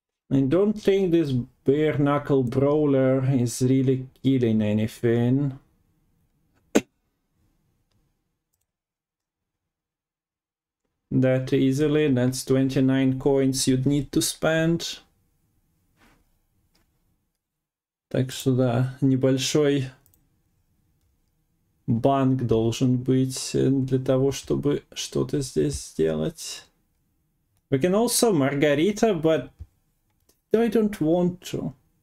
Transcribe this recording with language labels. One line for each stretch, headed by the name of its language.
English: I don't think this bare knuckle brawler is really killing anything. That easily, that's 29 coins you'd need to spend.
Russian: Так что да, небольшой банк должен быть для того, чтобы что-то здесь сделать.
English: We can also Margarita, but I don't want to.